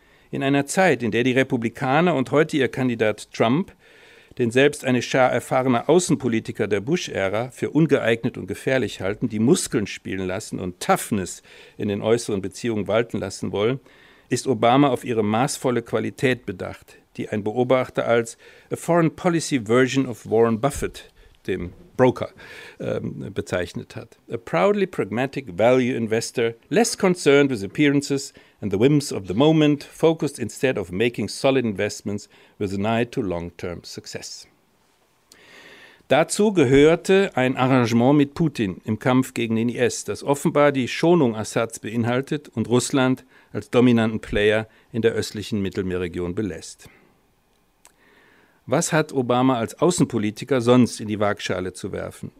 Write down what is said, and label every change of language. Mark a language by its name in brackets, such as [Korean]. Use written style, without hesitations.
[German] In einer Zeit, in der die Republikaner und heute ihr Kandidat Trump, den selbst eine Schar erfahrener Außenpolitiker der Bush-Ära für ungeeignet und gefährlich halten, die Muskeln spielen lassen und Toughness in den äußeren Beziehungen walten lassen wollen, ist Obama auf ihre maßvolle Qualität bedacht, die ein Beobachter als [English] A Foreign Policy Version of Warren Buffett, [German] dem Broker, bezeichnet hat. [English] A proudly pragmatic value investor, less concerned with appearances and the whims of the moment, focused instead of making solid investments with an eye to long-term success. [German] Dazu gehörte ein Arrangement mit Putin im Kampf gegen den IS, das offenbar die Schonung Assads beinhaltet und Russland als dominanten Player in der östlichen Mittelmeerregion belässt. Was hat Obama als Außenpolitiker sonst in die Waagschale zu werfen?